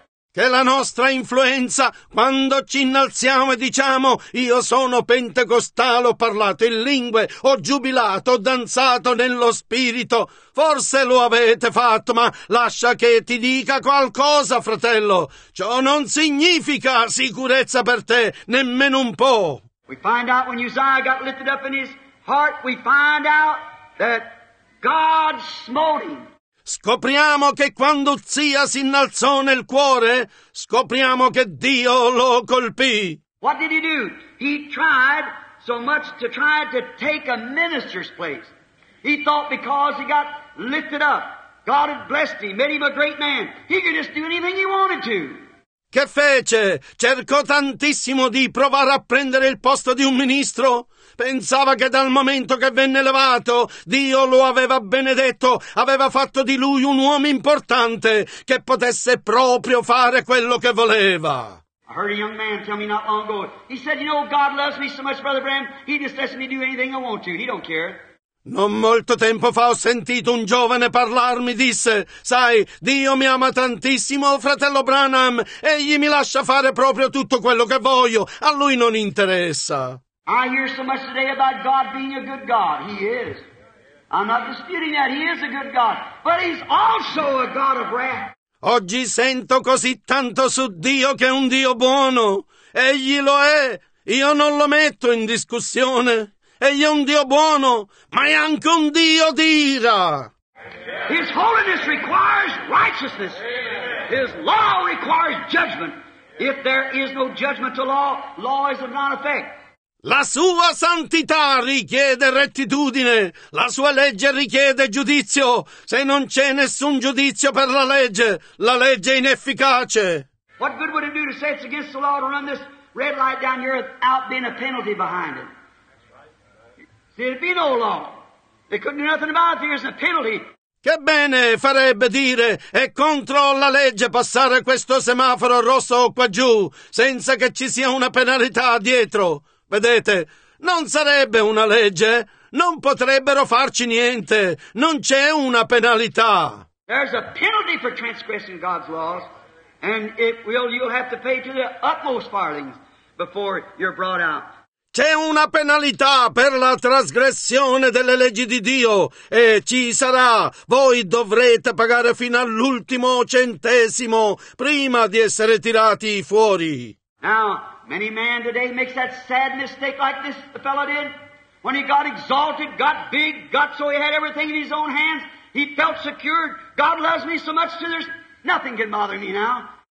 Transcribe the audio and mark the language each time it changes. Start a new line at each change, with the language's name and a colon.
Italian: Che la nostra influenza, quando ci innalziamo e diciamo io sono pentecostale, ho parlato in lingue, ho giubilato, ho danzato nello spirito, forse lo avete fatto, ma lascia che ti dica qualcosa, fratello. Ciò non significa sicurezza per te, nemmeno un po'.
English: We find out when Uzziah got lifted up in his heart, we find out that God smote him.
Italian: Scopriamo che quando Uzzia si innalzò nel cuore, scopriamo che Dio lo colpì.
English: What did he do? He tried so much to try to take a minister's place. He thought because he got lifted up, God had blessed him, made him a great man, he could just do anything he wanted to.
Italian: Che fece? Cercò tantissimo di provare a prendere il posto di un ministro. Pensava che dal momento che venne elevato, Dio lo aveva benedetto, aveva fatto di lui un uomo importante che potesse proprio fare quello che voleva.
English: I heard a young man tell me not long ago, he said, you know, God loves me so much, Brother Branham, he just lets me do anything I want to, he don't care.
Italian: Non molto tempo fa ho sentito un giovane parlarmi, disse, sai, Dio mi ama tantissimo, fratello Branham, egli mi lascia fare proprio tutto quello che voglio, a lui non interessa.
English: I hear so much today about God being a good God. He is. I'm not disputing that. He is a good God. But he's also a God of wrath.
Italian: Oggi sento così tanto su Dio che è un Dio buono. Egli lo è. Io non lo metto in discussione. Egli è un Dio buono, ma è anche un Dio di ira.
English: His holiness requires righteousness. His law requires judgment. If there is no judgment to law, law is of none effect.
Italian: La sua santità richiede rettitudine, la sua legge richiede giudizio. Se non c'è nessun giudizio per la legge è inefficace.
English: What good would it do to say it's against the law to run this red light down here without being a penalty behind it? See, there'd be no law. They couldn't do nothing about it if there's a penalty.
Italian: Che bene farebbe dire, è contro la legge passare questo semaforo rosso qua giù, senza che ci sia una penalità dietro. Vedete, non sarebbe una legge, non potrebbero farci niente, non c'è una penalità.
English: There's a penalty for transgressing God's laws, and it will you'll have to pay to the utmost farthing before you're brought out.
Italian: C'è una penalità per la trasgressione delle leggi di Dio, e ci sarà. Voi dovrete pagare fino all'ultimo centesimo prima di essere tirati fuori.
English: Now, many men today makes that sad mistake like this the fellow did. When he got exalted, got big, got so he had everything in his own hands, he felt secured. God loves me so much, so there's nothing can bother me now.